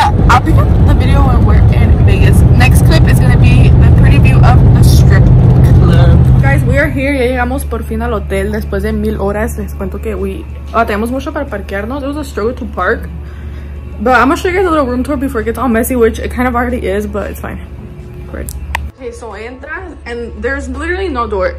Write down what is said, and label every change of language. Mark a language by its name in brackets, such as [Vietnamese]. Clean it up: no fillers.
[English] I'll pick up the video when we're in Vegas. Next clip is gonna be the pretty view of the strip club. Guys, we are here. [Spanish] Ya llegamos por fin al hotel después de mil horas. Les cuento que tenemos mucho para parquearnos. [English] It was a struggle to park. But I'm gonna show you guys a little room tour before it gets all messy, which it kind of already is, but it's fine. Great. Okay, so [Spanish] entras [English] and there's literally no door.